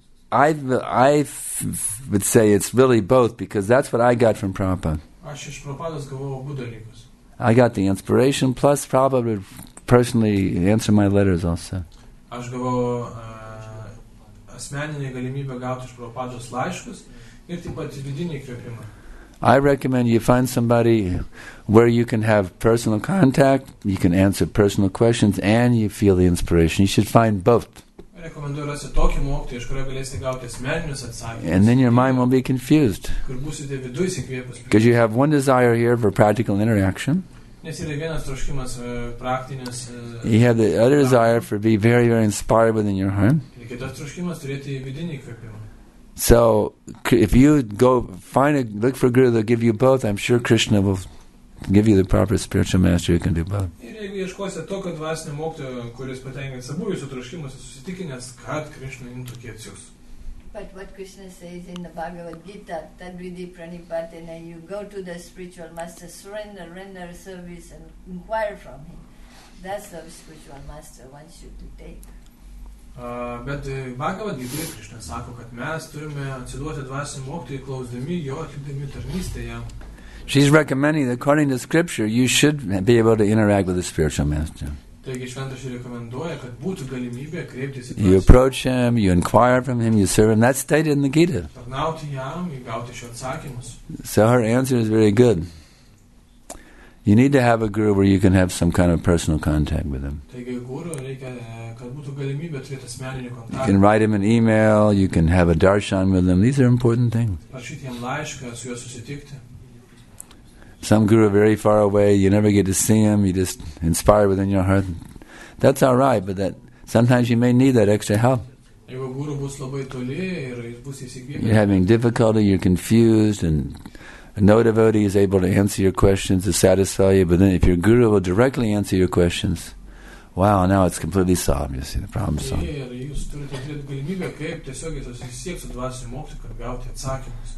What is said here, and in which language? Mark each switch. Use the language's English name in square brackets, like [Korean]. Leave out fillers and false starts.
[English] I would say it's really both, because that's what I got from Prabhupada. [Lithuanian] Aš iš Prabhupados gavau abu dalykus. [English] I got the inspiration, plus Prabhupada would personally answer my letters also. [Lithuanian] Aš gavau asmeninę galimybę gauti iš Prabhupados laiškus ir taip pat vidinį įkvėpimą. [English] I recommend you find somebody where you can have personal contact, you can answer personal questions, and you feel the inspiration. You should find both. [Lithuanian] Rekomenduoju rasti tokį mokytoją, iš kurio galėsite gauti asmeninius atsakymus. [English] And then your mind will be confused. [Lithuanian] Kur būsite viduj įsikvėpus. [English] Because you have one desire here for practical interaction. [Lithuanian] Nes yra vienas troškimas praktinis. [English] You have the other desire for be very, very inspired within your heart. [Lithuanian] Ir kitas troškimas turėti vidinį įkvėpimą. [English] So, if you go look for a guru that will give you both, I'm sure Krishna will give you the proper spiritual master who can do both. [Lithuanian] Ir jeigu ieškosite tokio dvasinio mokytojo, kuris patenkins abu jūsų troškimus, susitikinęs, kad Krishna imtų kiečius. [English] But what Krishna says in the Bhagavad Gita, Tadvridi Pranipatena, you go to the spiritual master, surrender, render service and inquire from him. That's the spiritual master one should take. [Lithuanian] Bet Bhagavad Gita Krishna sako, kad mes turime atsiduoti dvasiniam mokytojui klausdami jo atlikdami tarnystę jam. [English] She's recommending that according to scripture you should be able to interact with the spiritual master. [Lithuanian] Taigi šventraštis rekomenduoja, kad būtų galimybė kreiptis į jį. [English] You approach him, you inquire from him, you serve him. That's stated in the Gita. [Lithuanian] Tarnauti jam, gauti šio atsakymus. [English] So her answer is very good. You need to have a guru where you can have some kind of personal contact with him. [Lithuanian] Taigi guru reikia, kad būtų galimybė turėti asmeninį kontaktą. [English] You can write him an email, you can have a darshan with him. These are important things. [Lithuanian] Parašyti jam laišką, su juo susitikti. [English] Some guru very far away, you never get to see him, you just inspire within your heart. That's all right, but that sometimes you may need that extra help. [Lithuanian] Jeigu guru bus labai toli ir jis bus įsigyvęs. [English] You're having difficulty, you're confused, and no devotee is able to answer your questions to satisfy you, but then if your guru will directly answer your questions, wow, now it's completely solved, you see, the problem is solved.